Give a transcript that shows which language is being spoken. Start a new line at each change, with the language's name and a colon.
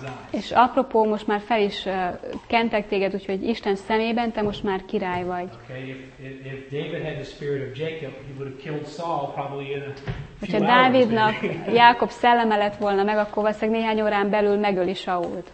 Hungarian: És apropó, most már fel is kentek téged, úgyhogy Isten szemében te most már király vagy.
English: If David had the spirit of Jacob, he would have killed Saul probably in a few hours.
Hungarian: Ha Dávidnak Jákob szelleme lett volna meg, akkor valószínűleg néhány órán belül megöli Sault.